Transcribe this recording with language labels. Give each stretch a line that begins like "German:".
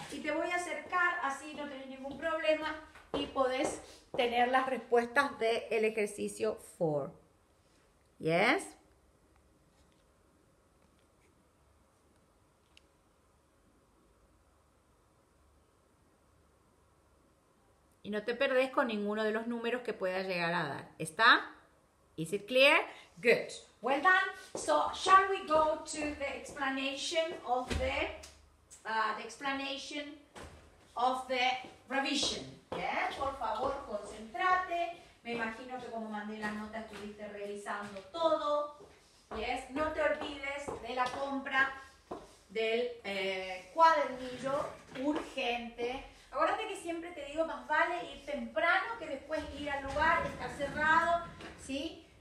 Spanish: Y te voy a acercar, así no tenés ningún problema y podés tener las respuestas del ejercicio 4. ¿Yes? Y no te perdés con ninguno de los números que pueda llegar a dar.
English: ¿Está? Is it clear? Good. Well done. So, shall we go to the explanation of the revision?
Spanish: Yes, por favor, concéntrate. Me imagino que como mandé la nota estuviste revisando todo. Yes, no te olvides de la compra del cuadernillo urgente. Acuérdate que siempre te digo, más vale ir temprano que después ir al lugar, está cerrado, ¿sí?